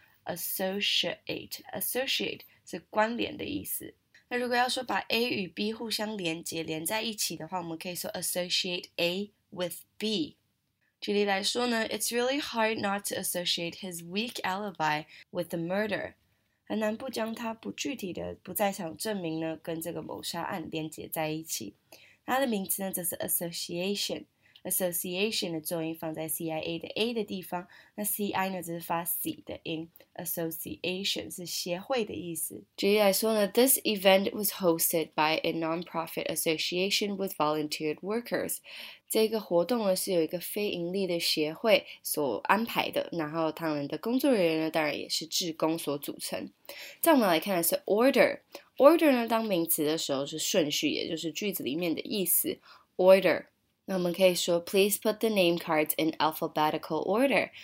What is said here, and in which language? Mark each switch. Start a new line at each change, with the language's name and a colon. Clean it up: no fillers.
Chinese: Associate 是关联的意思。那如果要说把 A 与 B 互相连接、连在一起的话，我们可以说
English: associate A with B。
Chinese: 举例来说呢，
English: It's really hard not to associate his weak alibi with the murder。
Chinese: 很难不将他不具体的不在场证明呢，跟这个谋杀案连接在一起。它的名词呢，则是 association。Association 的重音放在 CIA 的 A 的地方，那 CI 呢只是发 C 的音。 Association 是协会的意思。举例来说呢，
English: This event was hosted by a non-profit association with volunteered workers。
Chinese: 这个活动呢是由一个非盈利的协会所安排的，然后他们的工作人员呢当然也是志工所组成。再我们来看的是 order。Order 呢当名词的时候是顺序，也就是句子里面的意思。
English: Order。
Chinese: 那我们可以说
English: ，Please put the name cards in alphabetical order。